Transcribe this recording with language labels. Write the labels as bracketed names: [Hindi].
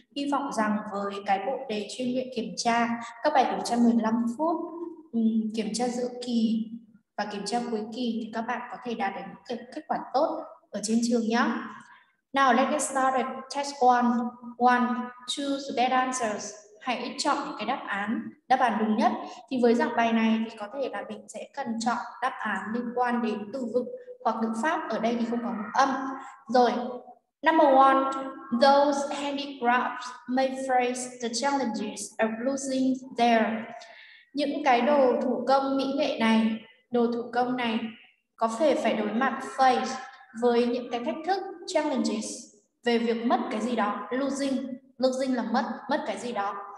[Vietnamese] Hy vọng rằng với cái bộ đề chuyên luyện kiểm tra, các bài kiểm tra 15 phút, kiểm tra giữa kỳ và kiểm tra cuối kỳ thì các bạn có thể đạt được những kết quả tốt ở trên trường nhé. [English] Now let's get started. Test 1. 1. Choose the best answers. [Vietnamese] Hãy chọn cái đáp án đúng nhất. Thì với dạng bài này thì có thể là mình sẽ cần chọn đáp án liên quan đến từ vựng hoặc ngữ pháp. Ở đây thì không có ngữ âm. Rồi. [English] Number 1. Those handicrafts may face the challenges of losing their. [Vietnamese] Những cái đồ thủ công mỹ nghệ này, đồ thủ công này có thể phải đối mặt face với những cái thách thức, challenges về việc mất cái gì đó, losing là mất cái gì đó.